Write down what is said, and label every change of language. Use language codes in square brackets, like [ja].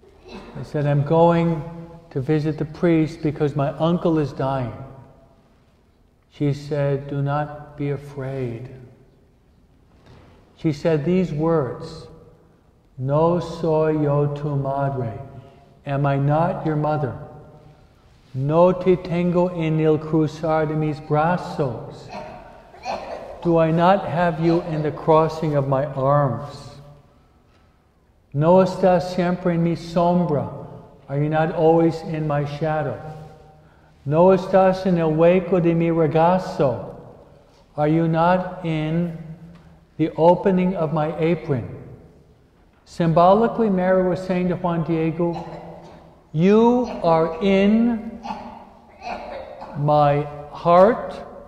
[en] I said, "I'm going to visit the priest because my uncle is dying." She said, "Do not be afraid." She said these words, [es] "No soy yo tu madre. [en] Am I not your mother? [es] No te tengo en el cruzar de mis brazos. [en] Do I not have you in the crossing of my arms? [es] No estás siempre en mi sombra. [en] Are you not always in my shadow? [es] No estás en el hueco de mi regazo. [en] Are you not in the opening of my apron?" Symbolically, Mary was saying to Juan Diego, "You are in my heart.